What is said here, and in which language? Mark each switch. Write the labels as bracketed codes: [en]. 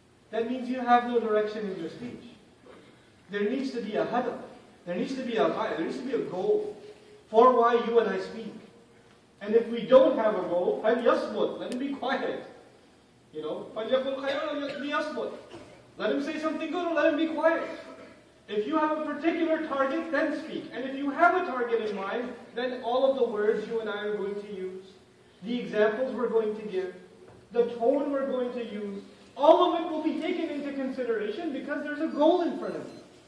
[en] That means you have no direction in your speech. There needs to be a hadaf. There needs to be a ghaya. There needs to be a goal for why you and I speak. And if we don't have a goal, [ar] فَلْيَصْمُتْ. [en] Let him be quiet. You know, [ar] فَلْيَقُلْ خَيْرًا لِيَصْمُتْ. [en] Let him say something good or let him be quiet. If you have a particular target, then speak. And if you have a target in mind, then all of the words you and I are going to use, the examples we're going to give, the tone we're going to use, all of it will be taken into consideration because there's a goal in front of you.